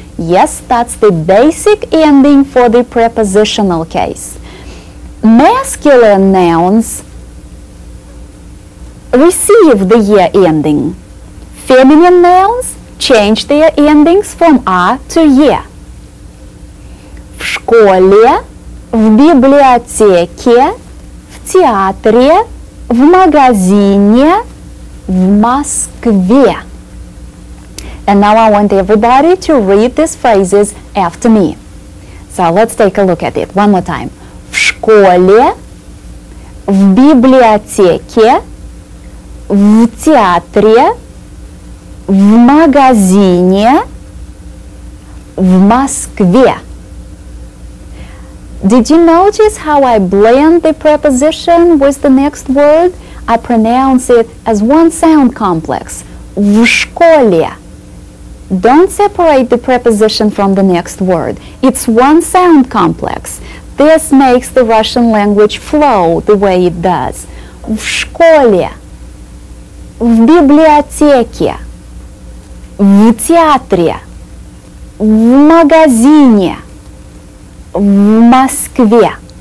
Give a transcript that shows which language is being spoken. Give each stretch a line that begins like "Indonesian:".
English: Yes, that's the basic ending for the prepositional case. Masculine nouns receive the year ending. Feminine nouns change their endings from A to E.
Russian: В школе, в библиотеке, в театре, в магазине, в Москве.
English: And now I want everybody to read these phrases after me. So let's take a look at it one more time.
Russian: В школе, в библиотеке, в театре, в магазине, в Москве.
English: Did you notice how I blend the preposition with the next word? I pronounce it as one sound complex.
Russian: В школе.
English: Don't separate the preposition from the next word. It's one sound complex. This makes the Russian language flow the way it does.
Russian: В школе. В библиотеке. В театре, в магазине, в Москве.